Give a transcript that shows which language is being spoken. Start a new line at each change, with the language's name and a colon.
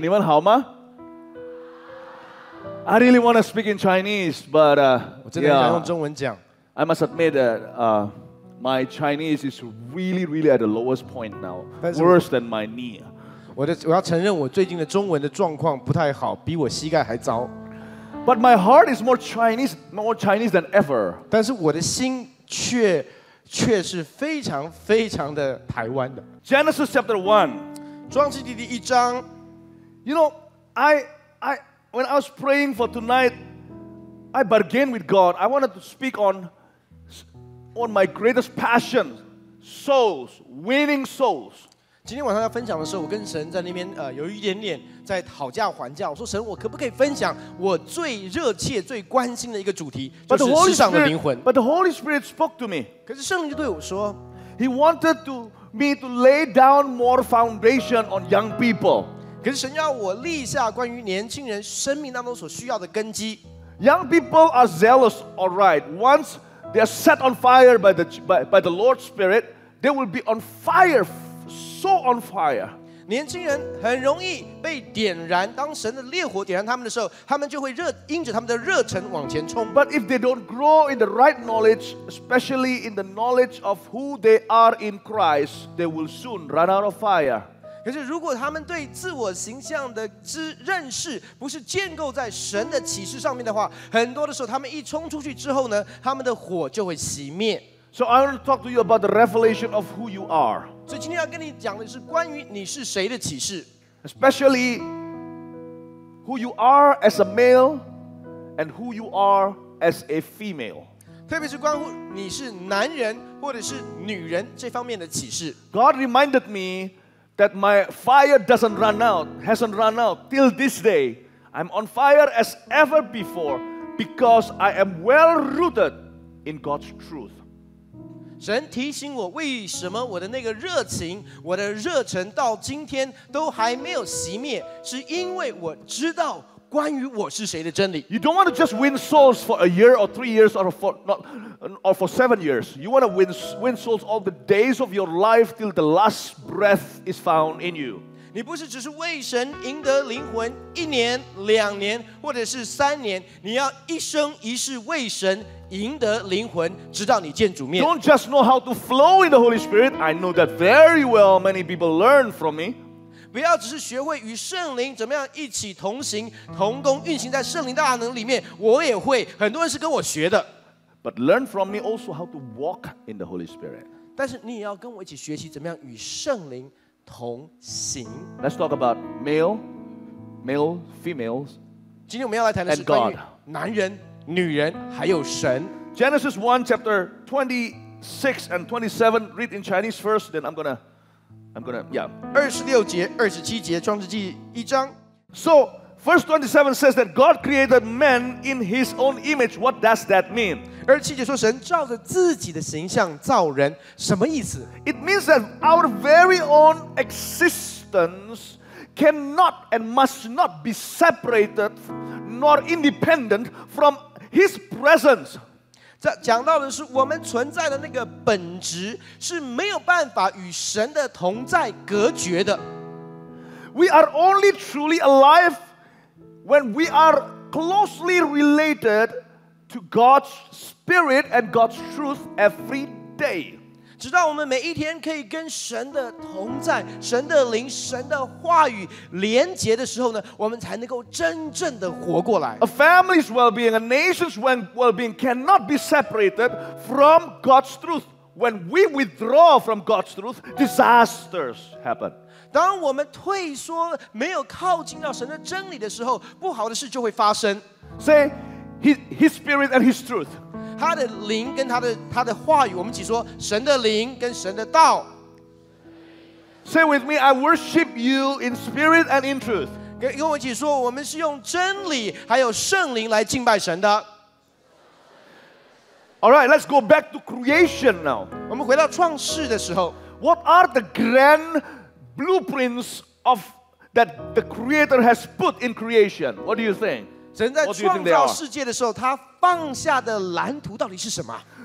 Chinese: 你们好吗
English: ？I really want to speak in Chinese, but
Chinese: 我真的想用中文讲。
English: I must admit that my Chinese is really, really at the lowest point now, worse than my knee.
Chinese: 我要承认我最近的中文的状况不太好，比我膝盖还糟。
English: But my heart is more Chinese than ever.
Chinese: 但是我的心却是非常非常的台湾的。
English: Genesis chapter 1.
Chinese: 创世记第一章
English: You know, I when I was praying for tonight, I bargained with God. I wanted to speak on my greatest passion, souls, winning souls.
Chinese: 今天晚上要分享的时候，我跟神在那边有一点点在讨价还价。我说神，我可不可以分享我最热切、最关心的一个主题，就是世上的灵魂。
English: But the Holy Spirit spoke to me.
Chinese: 可是圣灵就对我说
English: He wanted toMe to lay down more foundation on young people.
Chinese: 可是神要我立下关于年轻人生命当中所需要的根基。
English: Young people are zealous, all right. Once they are set on fire by the Lord's Spirit, they will be on fire, so on fire.
Chinese: 年轻人很容易被点燃，当神的烈火点燃他们的时候，他们就会因着他们的热忱往前冲。
English: But if they don't grow in the right knowledge, especially in the knowledge of who they are in Christ, they will soon run out of fire.
Chinese: 可是如果他们对自我形象的认识不是建构在神的启示上面的话，很多的时候他们一冲出去之后呢，他们的火就会熄灭。
English: So I want to talk to you about the revelation of who you are.
Chinese: 所以今天要跟你讲的是关于你是谁的启示。
English: Especially who you are as a male and who you are as a female.
Chinese: 特别是关乎你是男人或者是女人这方面的启示。
English: God reminded me that my fire hasn't run out till this day. I'm on fire as ever before because I am well rooted in God's truth.
Chinese: 神提醒我，为什么我的那个热情，我的热忱到今天都还没有熄灭，是因为我知道关于我是谁的真理。
English: You don't want to just win souls for a year or 3 years or for 7 years. You want to win souls all the days of your life till the last breath is found in you.
Chinese: 你不是只是为神赢得灵魂一年、两年或者是三年，你要一生一世为神。赢得灵魂，直到你见主面。
English: Don't just know how to flow in the Holy Spirit. I know that very well. Many people learn from me.
Chinese: 不要只是学会与圣灵怎么样一起同行、同工、运行在圣灵大能里面。我也会，很多人是跟我学的。
English: But learn from me also how to walk in the Holy Spirit.
Chinese: 但是你也要跟我一起学习怎么样与圣灵同行。
English: Let's talk about male, females.
Chinese: 今天我们要来谈的是关于男人。女人还有神
English: Genesis 1 chapter 26 and 27 read in Chinese first then So verse 27 says that God created man in his own image. What does that mean?
Chinese: 27节说神照着自己的形象造人什么意思
English: It means that our very own existence cannot and must not be separated nor independent from His presence.
Chinese: 这讲到的是我们存在的那个本质是没有办法与神的同在隔绝的。
English: We are only truly alive when we are closely related to God's Spirit and God's truth every day.
Chinese: 直到我们每一天可以跟神的同在、神的灵、神的话语连结的时候呢，我们才能够真正的活过来。
English: A family's well-being, a nation's well-being cannot be separated from God's truth. When we withdraw from God's truth, disasters happen.
Chinese: 当我们退缩、没有靠近到神的真理的时候，不好的事就会发生。
English: Say His Spirit and His truth.
Chinese: 他的灵跟他的话语，我们一起说神的灵跟神的道。
English: Say with me, I worship you in spirit and in truth.
Chinese: 跟我一起说，我们是用真理还有圣灵来敬拜神的。
English: All right, let's go back to creation now.
Chinese: 我们回到创世的时候
English: ，What are the grand blueprints of that the Creator has put in creation? What do you think?
Chinese: 神在创造世界的时候，他放下的蓝图到底是什么